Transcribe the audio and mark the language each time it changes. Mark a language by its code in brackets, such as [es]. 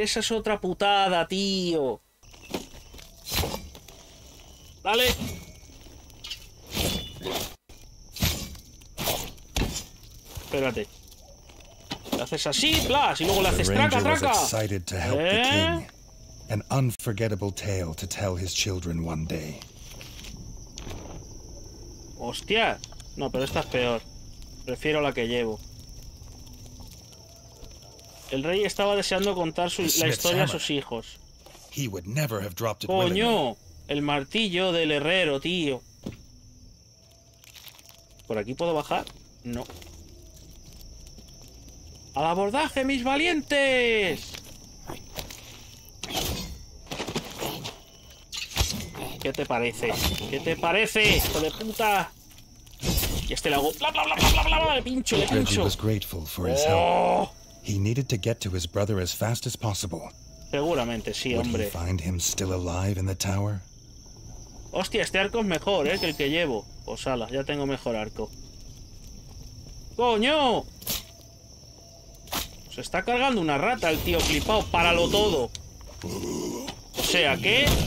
[es] Esa es otra putada, tío. Dale. Espérate. haces así, plas, y luego le haces traca, traca. ¿Eh? [en] An unforgettable tale to tell his children one day. [es] Hostia. No, pero esta es peor. Prefiero la que llevo. El rey estaba deseando contar su, la historia a sus hijos. [en] He would never have dropped it. [es] Coño, el martillo del herrero, tío. ¿Por aquí puedo bajar? No. ¡Al abordaje, mis valientes! ¿Qué te parece? ¿Qué te parece, hijo de puta? Y este le hago... ¡Bla, bla, bla, bla, bla, bla! ¡Le pincho, le pincho! [en] Was grateful for his help. He needed to get to his brother as fast as possible. [es] Seguramente sí, hombre. [en] Would he find him still alive in the tower? [es] Hostia, este arco es mejor, que el que llevo. Pues ala, ya tengo mejor arco. ¡Coño! Se está cargando una rata el tío flipado. ¡Páralo todo! O sea, ¿qué?